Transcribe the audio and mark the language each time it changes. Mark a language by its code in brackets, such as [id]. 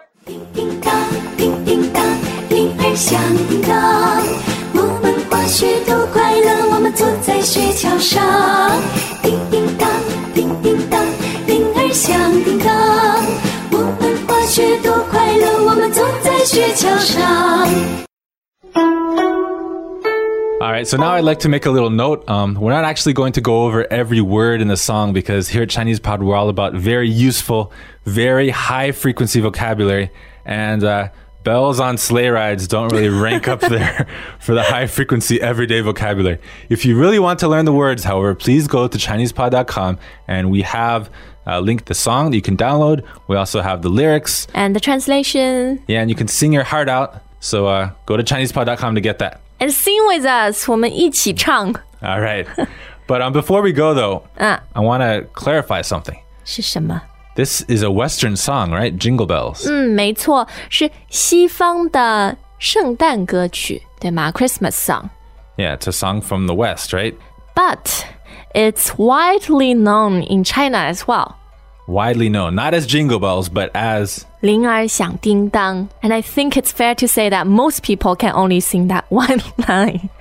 [zh] 叮叮当，叮叮当，铃儿响叮当，我们滑雪多快乐，我们坐在雪橇上。叮叮当，叮叮当，铃儿响叮当，我们滑雪多快乐，我们坐在雪橇上。 [en] All right, so now I'd like to make a little note. We're not actually going to go over every word in the song because here at Chinese Pod, we're all about very useful, very high-frequency vocabulary. And bells on sleigh rides don't really rank up there for the high-frequency everyday vocabulary. If you really want to learn the words, however, please go to ChinesePod.com and we have a link to the song that you can download. We also have the lyrics. And the translation. Yeah, and you can sing your heart out. So go to ChinesePod.com to get that. And sing with us. [zh] 我们一起唱。 [en] All right. But before we go, though, I want to clarify something. [zh] 是什么? [en] This is a Western song, right? Jingle Bells. [zh] 没错。是西方的圣诞歌曲,对吗? [en] Christmas song. Yeah, it's a song from the West, right? But it's widely known in China as well. widely known, not as Jingle Bells, but as 铃儿响叮当 And I think it's fair to say that most people can only sing that one line.